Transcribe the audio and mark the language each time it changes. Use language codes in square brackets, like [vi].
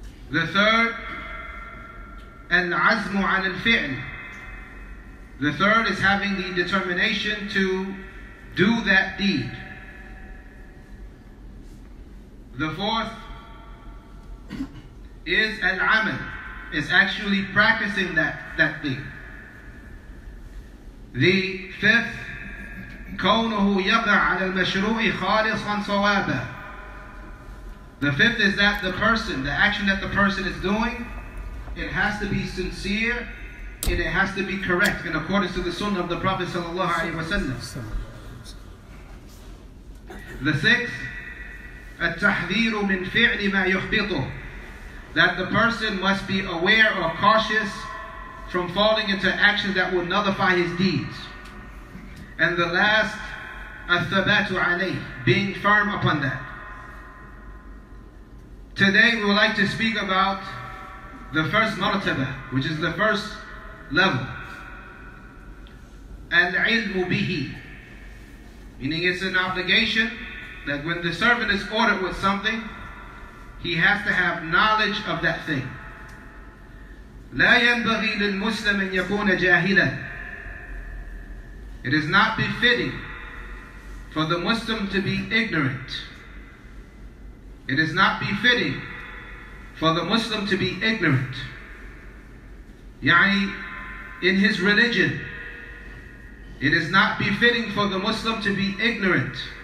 [en] The third, [ar] العزم على الفعل, [en] the third is having the determination to do that deed. The fourth is al-amal, is actually practicing that thing. The fifth, [ar] كونه يقع على المشروع خالصا صوابا. [en] The fifth is that the person, the action that the person is doing, it has to be sincere and it has to be correct in accordance to the sunnah of the Prophet sallallahu alaihi wasallam. The sixth, [ar] التحذير من فعل ما يحبطه, [en] that the person must be aware or cautious from falling into actions that will nullify his deeds. And the last, [ar] الثبات عليه, [en] being firm upon that. Today we would like to speak about the first martabah, which is the first level. [ar] العلم به, [en] meaning it's an obligation that when the servant is ordered with something, he has to have knowledge of that thing. [ar] لا ينبغي للمسلم أن يكون جاهلا. [en] It is not befitting for the Muslim to be ignorant. It is not befitting for the Muslim to be ignorant. يعني in his religion, it is not befitting for the Muslim to be ignorant.